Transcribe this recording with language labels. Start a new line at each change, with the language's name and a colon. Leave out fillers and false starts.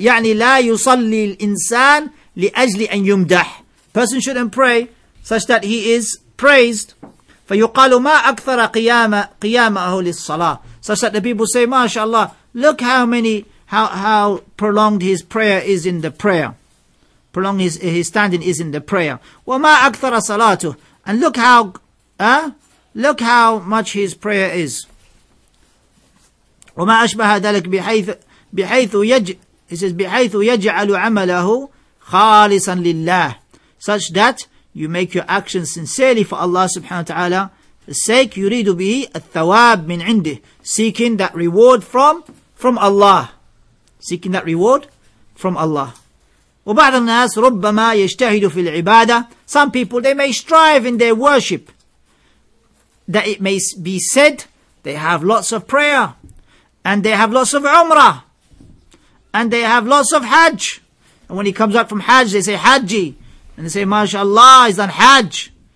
Arabic: يعني لا يصلي الإنسان لأجل أن يمدح.
English: Person shouldn't pray such that he is praised.
Arabic: فيقال ما أكثر قيامه للصلاة.
English: Such that the people say, MashaAllah, look how prolonged his prayer is in the prayer. Prolonged his standing is in the prayer.
Arabic: وما أكثر صلاته.
English: And look how, look how much his prayer is.
Arabic: وما أشبه ذلك بحيث يجعل,
English: he says,
Arabic: بحيث يجعل عمله خالصا لله.
English: Such that you make your actions sincerely for Allah subhanahu wa ta'ala. For sake
Arabic: يريد به الثواب من عنده.
English: Seeking that reward from Allah. Seeking that reward from Allah.
Arabic: وبعض الناس ربما يجتهد في العبادة.
English: Some people, they may strive in their worship. That it may be said, they have lots of prayer, and they have lots of umrah, and they have lots of hajj. And when he comes out from hajj, they say, hajji. And they say, mashallah, he's done hajj.